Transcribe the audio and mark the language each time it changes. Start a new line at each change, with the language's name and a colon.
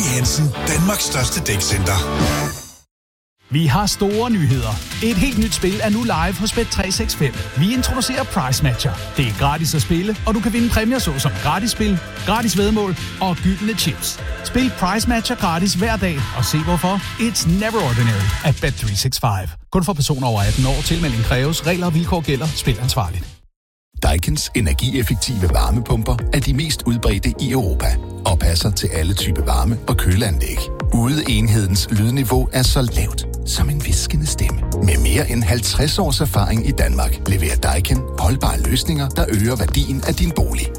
Danish: Hansen, Danmarks største dækcenter. Vi har store nyheder. Et helt nyt spil er nu live hos Bet365. Vi introducerer Price Matcher. Det er gratis at spille, og du kan vinde præmier såsom gratis spil, gratis væddemål og gyldne chips. Spil Price Matcher gratis hver dag og se hvorfor.
English: It's never ordinary at Bet365.
Danish: Kun for personer over 18 år. Tilmelding kræves. Regler og vilkår gælder. Spil ansvarligt. Daikins energieffektive varmepumper er de mest udbredte i Europa og passer til alle type varme- og køleanlæg. Ude enhedens lydniveau er så lavt som en viskende stemme. Med mere end 50 års erfaring i Danmark leverer Daikin holdbare løsninger, der øger værdien af din bolig.